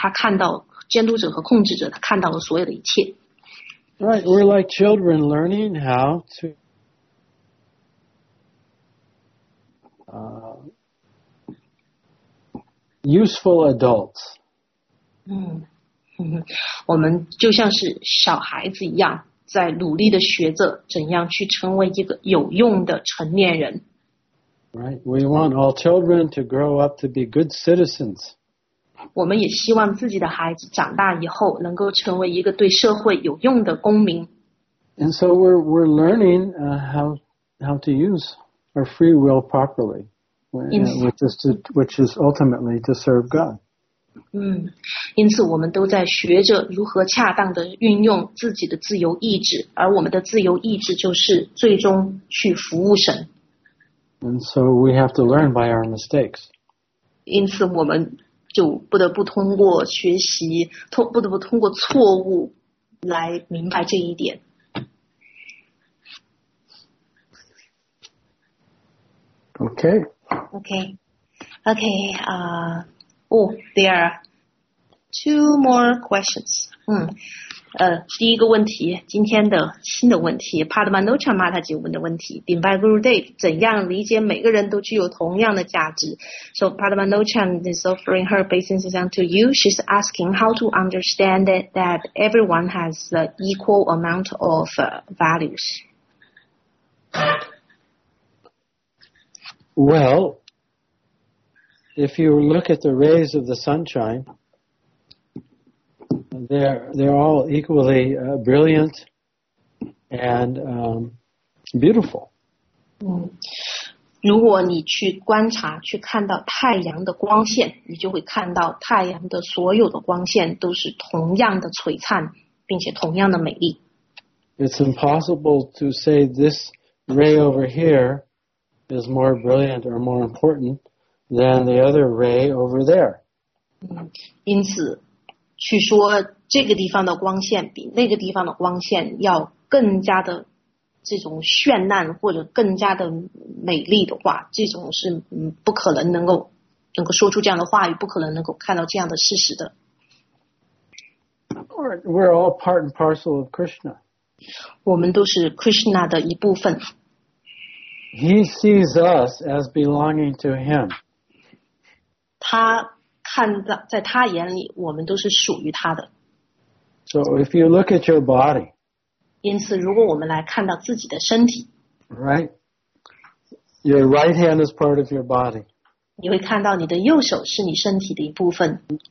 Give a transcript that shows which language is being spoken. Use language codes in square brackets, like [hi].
[zh] 是的，因为超灵就是监督者和监督者，对他看到监督者和控制者，他看到了所有的一切。 [en] Right, we're like children learning how to useful adults. [zh] 我们就像是小孩子一样。在努力地学着怎样去成为一个有用的成年人。 [en] Right, we want all children to grow up to be good citizens. [zh] 我们也希望自己的孩子长大以后能够成为一个对社会有用的公民。 [en] And so we're learning how to use our free will properly, which is ultimately to serve God. [zh] 因此我们都在学着如何恰当的运用自己的自由意志，而我们的自由意志就是最终去服务神。 [en] And so we have to learn by our mistakes. [zh] 因此我们就不得不通过学习，不得不通过错误来明白这一点。 [en] Okay. Okay. Okay, there are two more questions. [zh] 第一个问题，今天的新的问题 ,Padmanochan Mataji 问的问题 ,Dimbai Guru Dev, 怎样理解每个人都具有同样的价值。 [en] So Padmanochan is offering her basic exam to you. She's asking how to understand that everyone has the equal amount of values. Well, if you look at the rays of the sunshine,They're all equally brilliant and beautiful. [zh] 如果你去观察，去看到太阳的光线，你就会看到太阳的所有的光线都是同样的璀璨，并且同样的美丽。 [en] It's impossible to say this ray over here is more brilliant or more important than the other ray over there. [zh] 因此去说这个地方的光线比那个地方的光线要更加的这种绚烂或者更加的美丽的话，这种是不可能能够说出这样的话语，不可能能够看到这样的事实的。 [en] We're all part and parcel of Krishna. [zh] 我们都是 Krishna 的一部分。 [en] He sees us as belonging to him. [zh] 他看到在他眼里我们都是属于他的。 [en] So if you look at your body, [zh] 因此如果我们来看到自己的身体 [en] right, your right hand is part of your body. [zh] 你会看到你的右手是你身体的一部分。